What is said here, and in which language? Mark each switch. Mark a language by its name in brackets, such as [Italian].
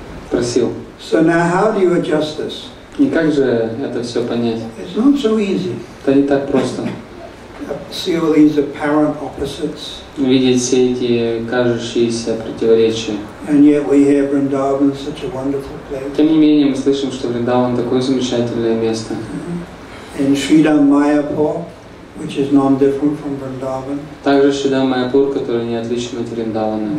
[Russian] Просил. [English] So now how do you adjust this? [Russian] И как же это все понять? [English] It's not so easy. [Russian] Это не так просто. [English] See all these apparent opposites. [Russian] Видеть все эти кажущиеся противоречия. [English] And yet we hear Vrindavan is such a wonderful place. [Russian] Тем не менее мы слышим, что Вриндаван такое замечательное место. [English] In Sridhar Mayapur, which is non-different from Vrindavan. [Russian] Также Шридхар Майяпур, который не отличен от Вриндавана.